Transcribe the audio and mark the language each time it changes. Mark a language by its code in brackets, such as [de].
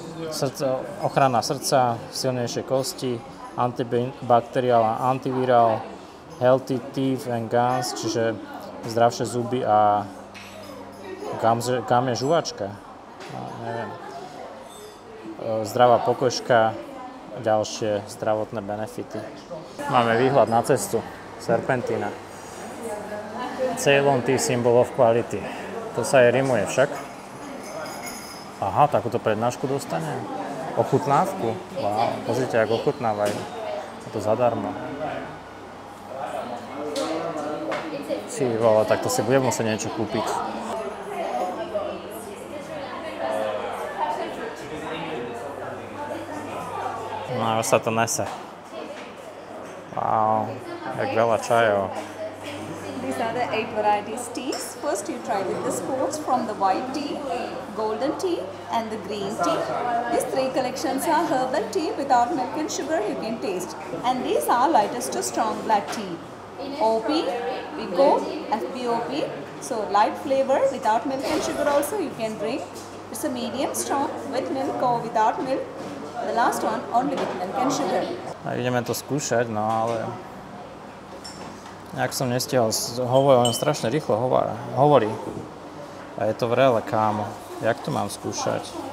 [sk] Srdce, ochrana srdca, silnejšie kosti, antibakteriál a antivirál, [en] healthy teeth and gums, [sk] čiže zdravšie zuby a gum je žuvačka. No, neviem. Zdravá pokožka, ďalšie zdravotné benefity. Máme výhľad na cestu, serpentína. [en] Ceylon tea, symbol of quality. [sk] To sa aj rimuje však. Aha, takúto prednášku dostane. Ochutnávku? Wow, pozrite, ako ochutnávajú. A to zadarmo. Si vole, tak to si budem musieť niečo kúpiť. No, už sa to nese. Wow, jak veľa čajov. [en] These are the 8 varieties teas. First you try with the sports from the white tea, golden tea and the green tea. These three collections are herbal tea without milk and sugar, you can taste. And these are lightest to strong black tea. OP, Vico, FBOP, so light flavor without milk and sugar also you can drink. It's a medium strong with milk or without milk. The last one only with milk and sugar. [sk] Ideme to skúšať, no ale... Nejak som nestihol, hovorí, on strašne rýchlo hovorí. A je to vrele, kámo. Jak to mám skúšať?